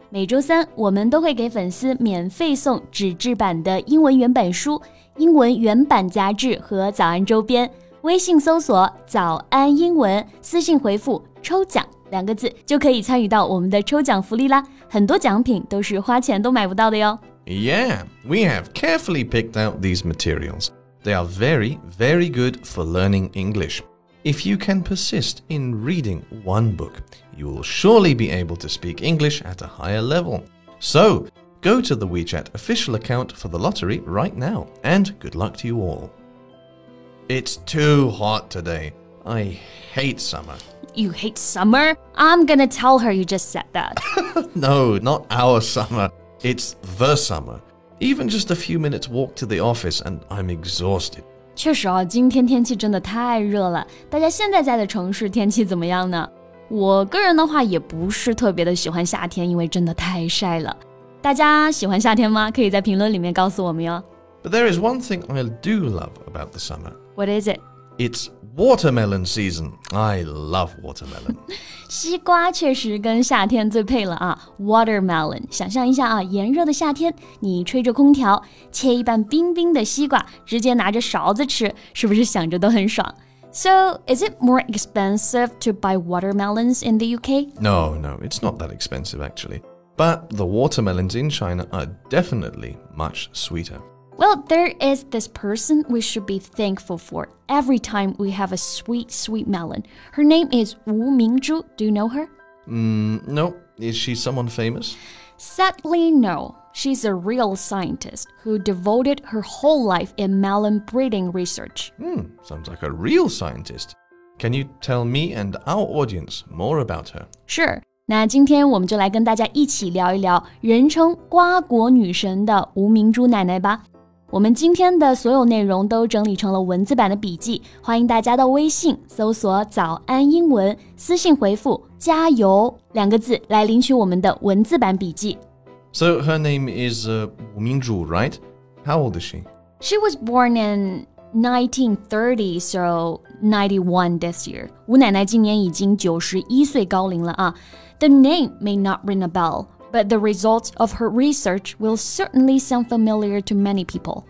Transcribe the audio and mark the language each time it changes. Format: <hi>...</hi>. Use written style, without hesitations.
<zh>每周三，我们都会给粉丝免费送纸质版的英文原版书、英文原版杂志和早安周边。微信搜索早安英文，私信回复抽奖两个字，就可以参与到我们的抽奖福利啦。很多奖品都是花钱都买不到的哟。</zh> <en>Yeah, we have carefully picked out these materials. They are very, very good for learning English. If you can persist in reading one book, you will surely be able to speak English at a higher level. So, go to the WeChat official account for the lottery right now, and good luck to you all. It's too hot today. I hate summer. You hate summer? I'm gonna tell her you just said that. No, not our summer. It's the summer. Even just a few minutes walk to the office and I'm exhausted.</en> <zh>确实啊，今天天气真的太热了。大家现在在的城市天气怎么样呢？我个人的话也不是特别的喜欢夏天，因为真的太晒了。大家喜欢夏天吗？可以在评论里面告诉我们哟。</zh> <en>But there is one thing I do love about the summer. What is it? It's watermelon season. I love watermelon.</en> <zh>西瓜确实跟夏天最配了啊 ,watermelon. 想象一下啊，炎热的夏天，你吹着空调，切一半冰冰的西瓜，直接拿着勺子吃，是不是想着都很爽？</zh> <en>So, is it more expensive to buy watermelons in the UK? No, it's not that expensive actually. But the watermelons in China are definitely much sweeter. Well, there is this person we should be thankful for every time we have a sweet, sweet melon. Her name is Wu Mingzhu. Do you know her? No. Is she someone famous? Sadly, no. She's a real scientist who devoted her whole life in melon breeding research. Sounds like a real scientist. Can you tell me and our audience more about her? Sure.</en> <zh>那今天我们就来跟大家一起聊一聊人称瓜果女神的吴明珠奶奶吧。我们今天的所有内容都整理成了文字版的笔记，欢迎大家到微信搜索早安英文，私信回复加油两个字来领取我们的文字版笔记。</zh> <en>So her name is Wu Mingzhu, right? How old is she? She was born in 1930, so 91 this year.</en> <zh>吴奶奶今年已经91岁高龄了啊。</zh> <en>The name may not ring a bell, but the results of her research will certainly sound familiar to many people.</en>